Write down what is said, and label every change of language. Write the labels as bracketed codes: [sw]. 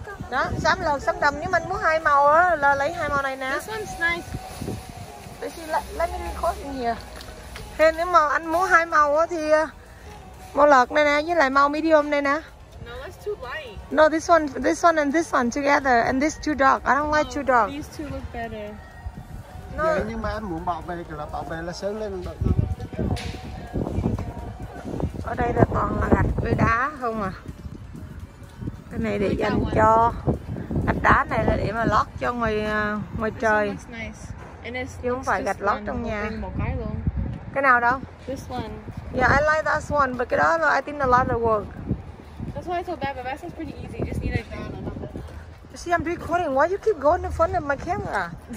[vi] Đó, xám lợt, xám đầm. Nếu mình muốn hai màu á, là lấy hai màu này nè. [en] This one's nice. Let me record in here. [vi] Thế nếu mà anh muốn hai màu á thì màu lợt này nè với lại màu medium này nè. [en] No, that's too light. No, this one and this one together and this too dark. I don't like too dark. These two look better. No. [vi] Yeah, nhưng mà anh muốn bảo vệ là sớm lên. Ở đây là toàn là gạch với đá không à. Cái này để dành cho gạch đá này là để mà lót cho ngoài [en] this [vi] trời. [en] Nice. And [vi] chứ không phải gạch lót trong nhà. Một cái luôn. Cái nào đâu? [en] This one. Yeah, I like that one, but [vi] cái đó là [en] I think a lot of work. That's why I told Baba, that one's pretty easy. Just need a drone and nothing. See, I'm recording. Why you keep going in front of my camera?